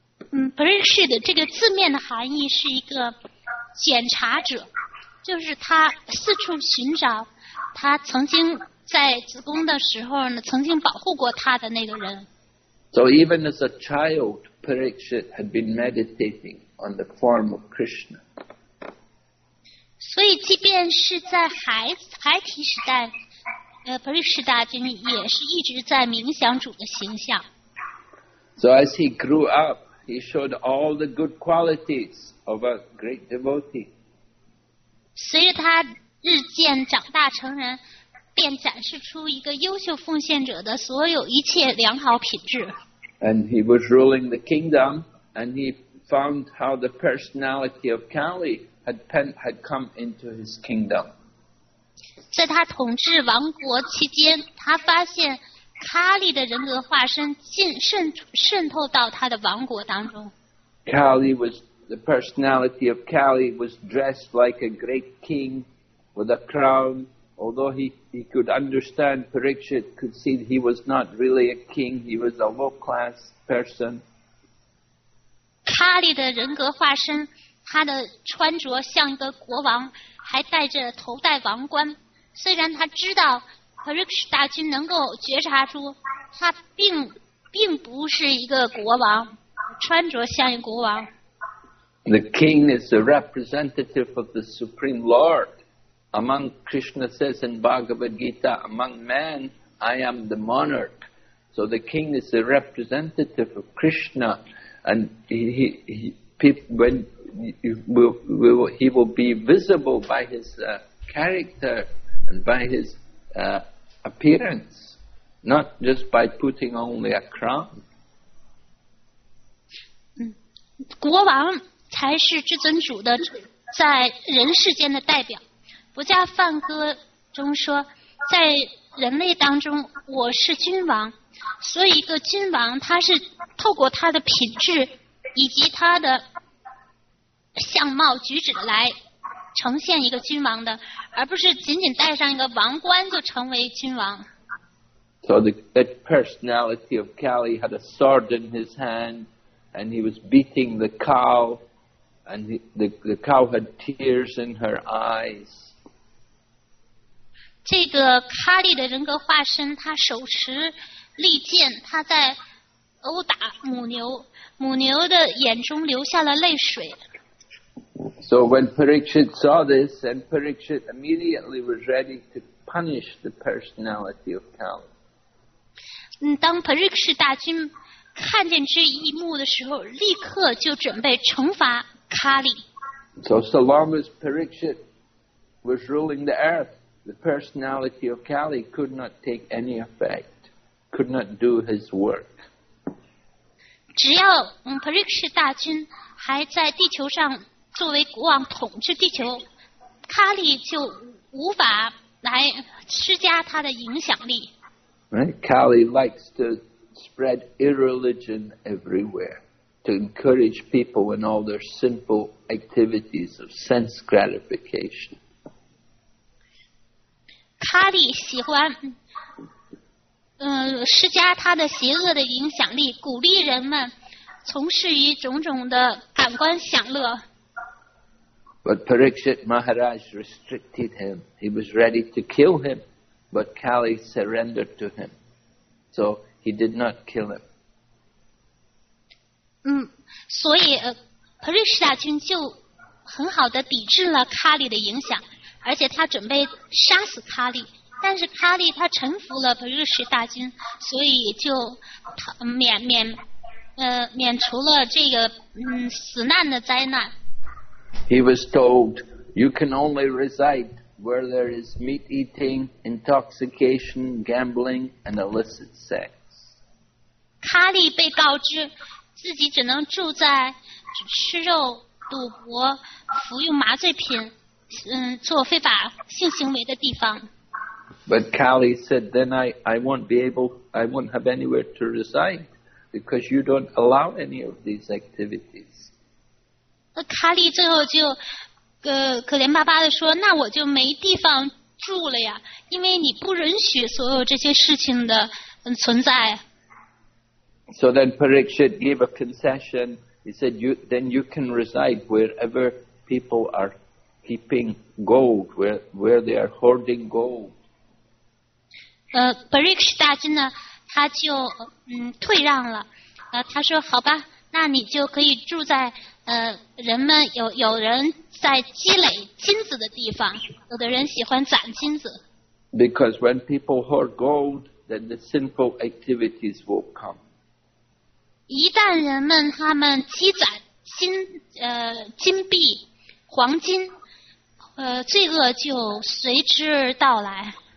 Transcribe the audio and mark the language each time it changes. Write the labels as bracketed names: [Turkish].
[Chinese] Parikshit 这个字面的含义是一个检查者，就是他四处寻找他曾经在子宫的时候呢，曾经保护过他的那个人。 [English] So even as a child, Parikshit had been meditating on the form of Krishna. [Chinese] 所以即便是在孩提时代，Parikshit 大君也是一直在冥想主的形象。 [English] So as he grew up,He showed all the good qualities of a great devotee. [Chinese] 随着他日渐长大成人，便展示出一个优秀奉献者的所有一切良好品质。 [English] And he was ruling the kingdom, and he found how the personality of Kali had come into his kingdom. [Chinese] 在他统治王国期间，他发现。 Kali 的人格化身渗透到他的王国当中。 [English] The personality of Kali was dressed like a great king with a crown, although he could understand Parikshit, could see he was not really a king, he was a low-class person. [Chinese] Kali 的人格化身，他的穿着像一个国王，还戴着头戴王冠。虽然他知道 Parikshit 大君能够觉察出他并不是一个国王，穿着像一个国王。 [English] The king is the representative of the Supreme Lord. Among Krishna says in Bhagavad Gita, among men, I am the monarch. So the king is the representative of Krishna, and he will be visible by his character and by his appearance, not just by putting only a crown. [Chinese] 国王才是至尊主的在人世间的代表。佛家梵歌中说，在人类当中我是君王，所以一个君王他是透过他的品质以及他的相貌举止来呈现一个君王的，而不是仅仅戴上一个王冠就成为君王。 [English] So that personality of Kali had a sword in his hand and he was beating the cow and the cow had tears in her eyes. [Chinese] 这个卡利的人格化身，他手持利剑，他在殴打母牛，母牛的眼中流下了泪水。 [English] So when Parikshit saw this, and Parikshit immediately was ready to punish the personality of Kali. [Chinese] 当 Parikshit 大君看见这一幕的时候，立刻就准备惩罚卡利。 [English] So long as Parikshit was ruling the earth. The personality of Kali could not take any effect, could not do his work. [Chinese] 只要 Parikshit 大君还在地球上作为国王统治地球， Kali 就无法来施加他的影响力。 [English] Right? Kali likes to spread irreligion everywhere, to encourage people in all their sinful activities of sense gratification. [Chinese] 卡利喜欢施加他的邪恶的影响力，鼓励人们从事于种种的感官享乐。 [English] But Parikshit Maharaj restricted him. He was ready to kill him, but Kali surrendered to him. So he did not kill him. [Chinese] 所以Parikshit 大君就很好的抵制了卡利的影响。而且他准备杀死卡利，但是卡利他臣服了Parikshit大君，所以就免除了这个死难的灾难。 [English] He was told, "You can only reside where there is meat eating, intoxication, gambling, and illicit sex." [Chinese] 卡利被告知自己只能住在吃肉、赌博、服用麻醉品。做非法性行为的地方。 [English] But Kali said, "Then I won't have anywhere to reside because you don't allow any of these activities." [Chinese] 卡利最后就可怜巴巴的说，那我就没地方住了呀，因为你不允许所有这些事情的存在。 [English] So then Parikshit gave a concession. He said, "Then you can reside wherever people are." Keeping gold, where they are hoarding gold. [Chinese] Parikshit 大君呢，他就退让了。他说：“好吧，那你就可以住在人们有人在积累金子的地方，有的人喜欢攒金子。” [English] Because when people hoard gold, then the sinful activities will come. [Chinese] 一旦人们他们积攒金币、黄金。罪恶就随之而到来。